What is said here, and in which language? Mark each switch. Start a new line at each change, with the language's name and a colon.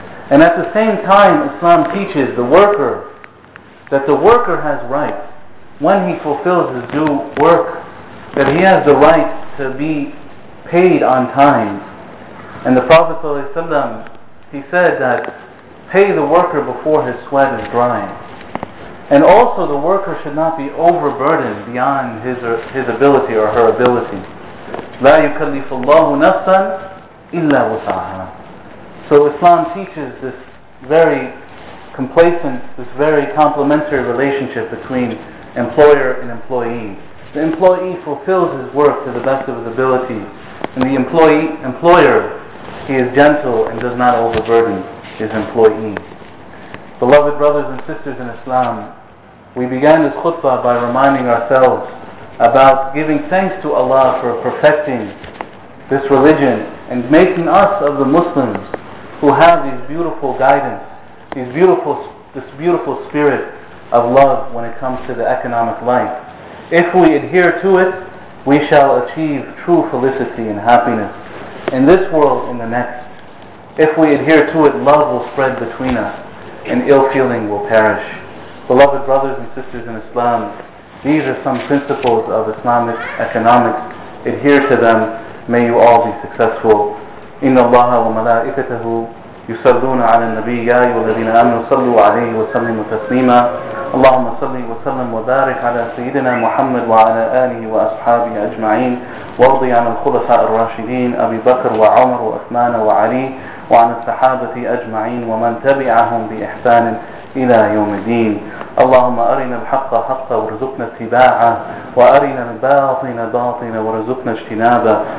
English: And at the same time, Islam teaches the worker that the worker has rights when he fulfills his due work, that he has the right to be paid on time. And the Prophet ﷺ, he said that pay the worker before his sweat is drying. And also the worker should not be overburdened beyond his or his ability or her ability.
Arabic: لا يكلف الله نفسا إلا وسعها.
English: So Islam teaches this very complacent, this very complementary relationship between employer and employee. The employee fulfills his work to the best of his ability, and the employer, he is gentle and does not overburden his employee. Beloved brothers and sisters in Islam, we began this khutbah by reminding ourselves about giving thanks to Allah for perfecting this religion and making us of the Muslims who have these beautiful guidance, this beautiful spirit of love when it comes to the economic life. If we adhere to it, we shall achieve true felicity and happiness in this world and the next. If we adhere to it, love will spread between us and ill feeling will perish. Beloved brothers and sisters in Islam, these are some principles of Islamic economics. Adhere to them. May you all be successful.
Arabic: إن الله وملائكته يصلون على النبي يا أيها الذين آمنوا صلوا عليه وسلموا تسليما اللهم صل وسلم وبارك على سيدنا محمد وعلى آله وأصحابه أجمعين وارضي عن الخلفاء الراشدين أبي بكر وعمر وعثمان وعلي وعن الصحابة أجمعين ومن تبعهم بإحسان إلى يوم الدين اللهم أرنا الحق حقا وارزقنا اتباعه وأرنا الباطل باطلا وارزقنا اجتنابه